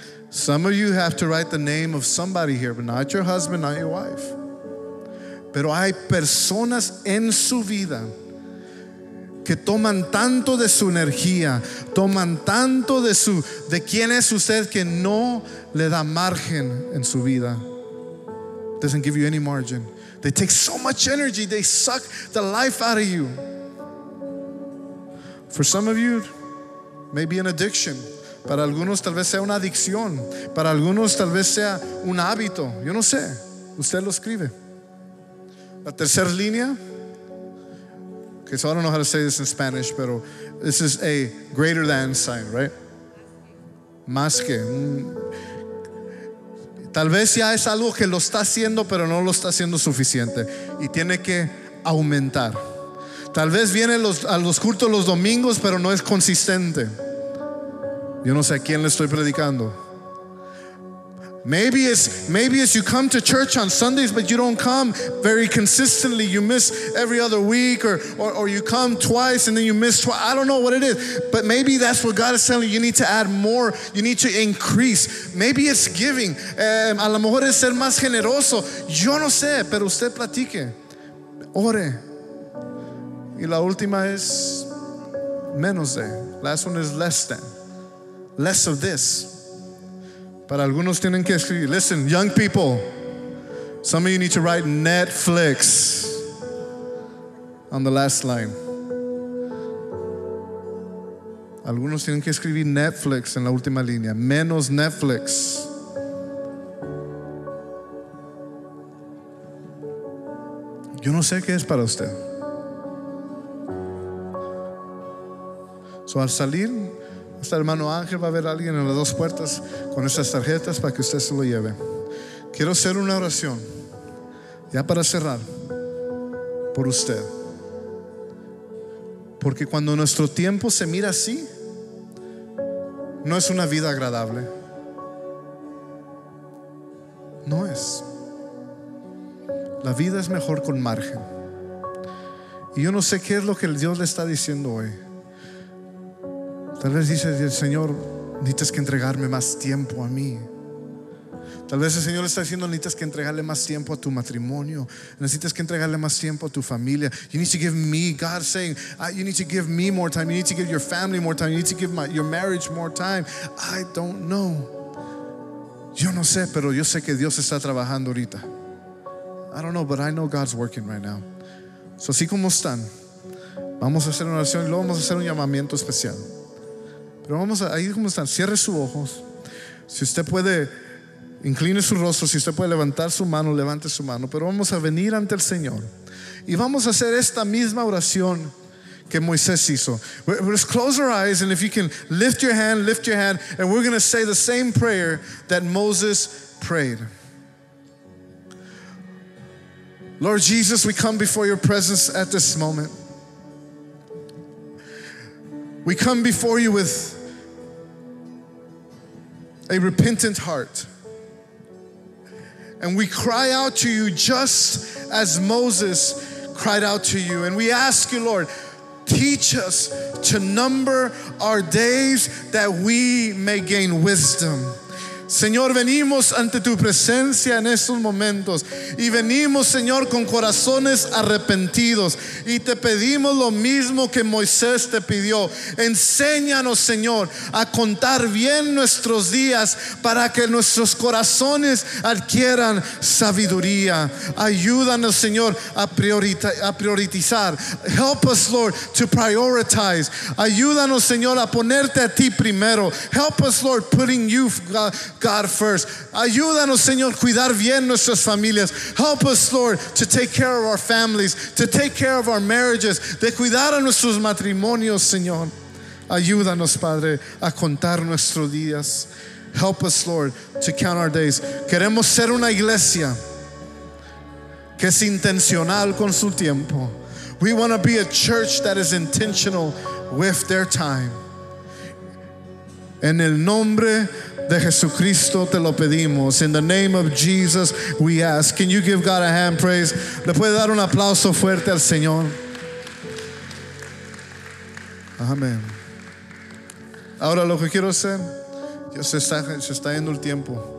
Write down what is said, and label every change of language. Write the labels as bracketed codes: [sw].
[en] Some of you have to write the name of somebody here, but not your husband, not your wife. [es] Pero hay personas en su vida que toman tanto de su energía, toman tanto de quién es usted, que no le da margen en su vida. [en] Doesn't give you any margin. They take so much energy, they suck the life out of you. For some of you, maybe an addiction. [es] Para algunos tal vez sea una adicción. Para algunos tal vez sea un hábito. Yo no sé. Usted lo escribe. La tercera línea. [en] Okay, so I don't know how to say this in Spanish, pero this is a greater than sign, right? [es] Más que. Tal vez ya es algo que lo está haciendo, pero no lo está haciendo suficiente. Y tiene que aumentar. Tal vez viene a los cultos los domingos, pero no es consistente. Yo no sé a quién le estoy predicando. [en] Maybe it's you come to church on Sundays, but you don't come very consistently. You miss every other week, or you come twice and then you miss twice. I don't know what it is, but maybe that's what God is telling you. You need to add more. You need to increase. Maybe it's giving. [es] A lo mejor es ser más generoso. Yo no sé, pero usted platique. Ore. Y la última es menos de. [en] Last one is less than. Less of this. [es] Para algunos tienen que escribir. [en] Listen, young people, some of you need to write Netflix on the last line. [es] Algunos tienen que escribir Netflix en la última línea. Menos Netflix. Yo no sé qué es para usted. So al salir, este hermano Ángel, va a ver a alguien en las dos puertas con esas tarjetas para que usted se lo lleve. Quiero hacer una oración ya para cerrar por usted, porque cuando nuestro tiempo se mira así, no es una vida agradable. No es. La vida es mejor con margen. Y yo no sé qué es lo que Dios le está diciendo hoy. Tal vez dice el Señor, necesitas que entregarme más tiempo a mí. Tal vez el Señor le está diciendo, necesitas que entregarle más tiempo a tu matrimonio. Necesitas que entregarle más tiempo a tu familia. [en] You need to give me, God saying, you need to give me more time. You need to give your family more time. You need to give your marriage more time. I don't know. [es] Yo no sé, pero yo sé que Dios está trabajando ahorita. [en] I don't know, but I know God's working right now. [es] So así como están, vamos a hacer una oración y luego vamos a hacer un llamamiento especial. Pero vamos a, ahí como están, cierre sus ojos. Si usted puede, incline su rostro. Si usted puede levantar su mano, levante su mano. Pero vamos a venir ante el Señor y vamos a hacer esta misma oración que Moisés hizo. [en] Just close our eyes, and if you can lift your hand, lift your hand, and we're going to say the same prayer that Moses prayed. Lord Jesus, we come before your presence at this moment. We come before you with a repentant heart. And we cry out to you just as Moses cried out to you. And we ask you, Lord, teach us to number our days that we may gain wisdom. [es] Señor, venimos ante tu presencia en estos momentos y venimos, Señor, con corazones arrepentidos y te pedimos lo mismo que Moisés te pidió. Enséñanos, Señor, a contar bien nuestros días para que nuestros corazones adquieran sabiduría. Ayúdanos, Señor, a priorizar. [en] Help us, Lord, to prioritize. [es] Ayúdanos, Señor, a ponerte a ti primero. [en] Help us, Lord, putting you, God first. [es] Ayúdanos, Señor, cuidar bien nuestras familias. [en] Help us, Lord, to take care of our families, to take care of our marriages, [es] de cuidar a nuestros matrimonios, Señor. Ayúdanos, Padre, a contar nuestros días. [en] Help us, Lord, to count our days. [es] Queremos ser una iglesia que es intencional con su tiempo. [en] We want to be a church that is intentional with their time. [es] En el nombre de Jesucristo te lo pedimos. [en] In the name of Jesus we ask. Can you give God a hand praise? [es] ¿Le puede dar un aplauso fuerte al Señor? Amén. Ahora lo que quiero hacer, ya se está yendo el tiempo.